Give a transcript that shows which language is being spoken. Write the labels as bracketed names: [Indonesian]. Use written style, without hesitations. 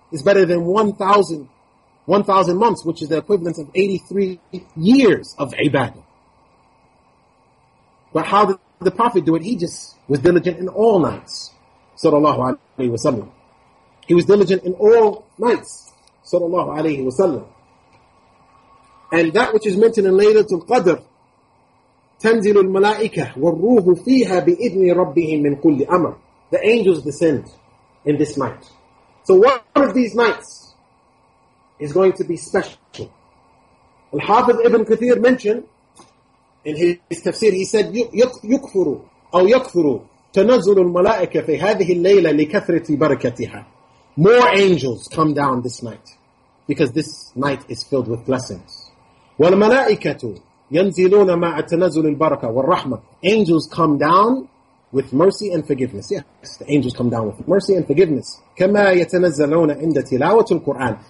[English] It's better than 1,000 months, which is the equivalent of 83 years of ibadah. But how did the Prophet do it? He just was diligent in all nights, sallallahu alayhi wa sallam. He was diligent in all nights, sallallahu alayhi wa sallam. And that which is mentioned in Laylatul Qadr, [Arabic] تَنْزِلُ الْمَلَائِكَةِ وَالْرُوحُ فِيهَا بِإِذْنِ رَبِّهِمْ مِنْ كُلِّ أَمَرٍ. [English] The angels descend in this night. So one of these nights is going to be special. Al-Hafiz Ibn Kathir mentioned in his tafsir, he said, [Arabic] يُكْفُرُ أَوْ يَكْفُرُ تَنَزُلُ الْمَلَائِكَةِ فِي هَذِهِ اللَّيْلَ لِكَثْرَةِ بَرَكَتِهَا. [English] More angels come down this night, because this night is filled with blessings. [Arabic] وَالْمَلَائِكَةُ يَنْزِلُونَ مَعَ تَنَزُلِ الْبَرَكَةِ وَالرَّحْمَةِ. [English] Angels come down with mercy and forgiveness. Yes, the angels come down with mercy and forgiveness. [Arabic] كَمَا يَتَنَزَّلُونَ عِنْدَ تِلَاوَةُ الْقُرْآنِ.